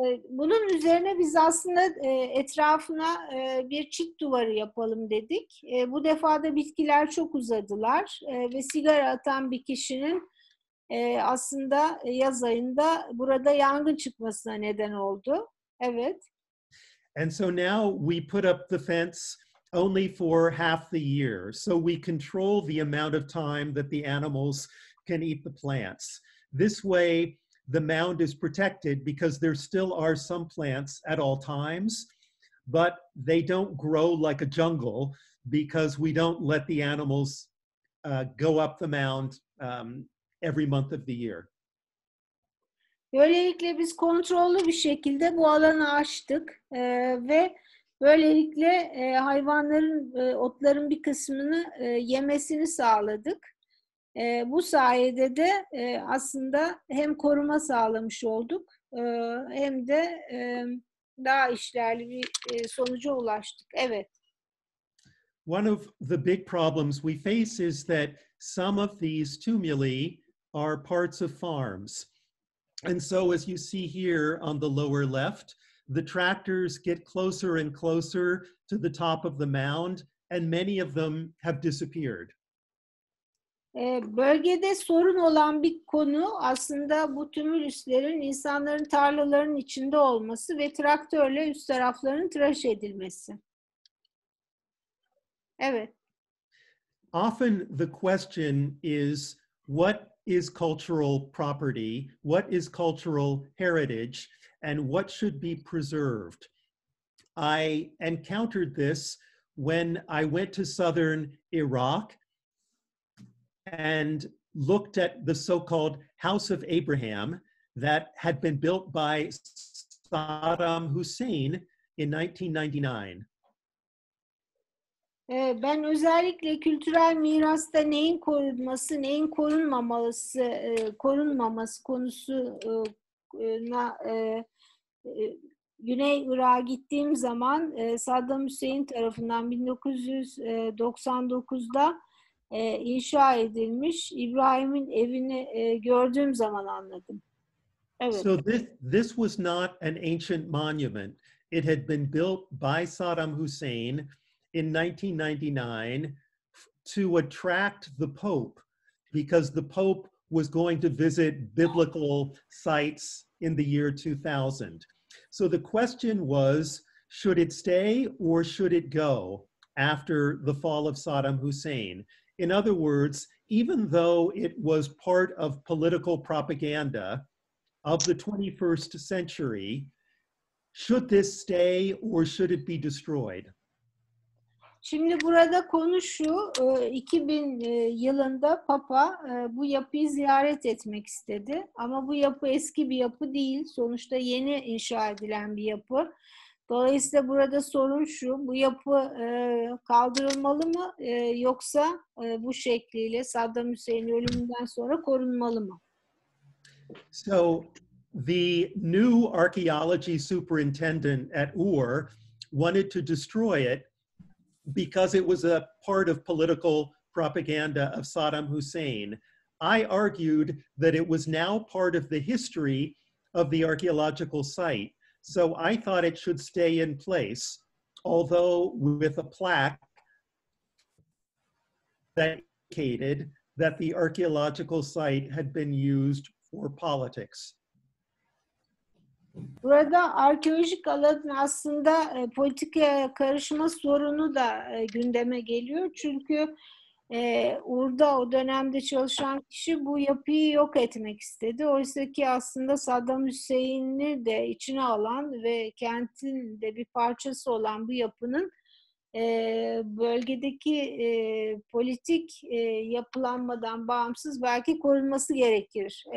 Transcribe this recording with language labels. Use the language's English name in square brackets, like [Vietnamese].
[Turkish] Bunun üzerine biz aslında etrafına bir çit duvarı yapalım dedik. Bu defa da bitkiler çok uzadılar ve sigara atan bir kişinin aslında yaz ayında burada yangın çıkmasına neden oldu. Evet. [English] And so now we put up the fence only for half the year. So we control the amount of time that the animals can eat the plants. This way the mound is protected because there still are some plants at all times, but they don't grow like a jungle because we don't let the animals go up the mound every month of the year. [Turkish] Böylelikle biz kontrollü bir şekilde bu alanı açtık ve böylelikle hayvanların otların bir kısmını yemesini sağladık. Bu sayede de aslında hem koruma sağlamış olduk hem de daha işlerli bir sonuca ulaştık. Evet. [English] One of the big problems we face is that some of these tumuli are parts of farms. And so as you see here on the lower left, the tractors get closer and closer to the top of the mound, and many of them have disappeared. [Turkish] Bölgede sorun olan bir konu aslında bu tümülüslerin insanların tarlalarının içinde olması ve traktörle üst tarafların tıraş edilmesi. Evet. [English] Often the question is, what is cultural property? What is cultural heritage? And what should be preserved? I encountered this when I went to southern Iraq and looked at the so-called House of Abraham that had been built by Saddam Hussein in 1999. [Turkish] Ben özellikle kültürel mirasta neyin korunması, neyin korunmaması, korunmaması konusuna Güney Irak'a gittiğim zaman Saddam Hüseyin tarafından 1999'da inşa edilmiş İbrahim'in evini gördüğüm zaman anladım. Evet. [English] So this was not an ancient monument. It had been built by Saddam Hussein in 1999 to attract the Pope, because the Pope was going to visit biblical sites in the year 2000. So the question was, should it stay or should it go after the fall of Saddam Hussein? In other words, even though it was part of political propaganda of the 21st century, should this stay or should it be destroyed? [Turkish] Şimdi burada konu şu, 2000 yılında Papa bu yapıyı ziyaret etmek istedi. Ama bu yapı eski bir yapı değil, sonuçta yeni inşa edilen bir yapı. Dolayısıyla burada sorun şu, bu yapı kaldırılmalı mı yoksa bu şekliyle Saddam Hüseyin'in ölümünden sonra korunmalı mı? [English] So, the new archaeology superintendent at UR wanted to destroy it because it was a part of political propaganda of Saddam Hussein. I argued that it was now part of the history of the archaeological site. So I thought it should stay in place, although with a plaque that indicated that the archaeological site had been used for politics. [Turkish] Burada arkeolojik alanın aslında politikaya karışma sorunu da gündeme geliyor. Çünkü Ur'da o dönemde çalışan kişi bu yapıyı yok etmek istedi. Oysa ki aslında Saddam Hüseyin'i de içine alan ve kentin de bir parçası olan bu yapının bölgedeki politik yapılanmadan bağımsız belki korunması gerekir.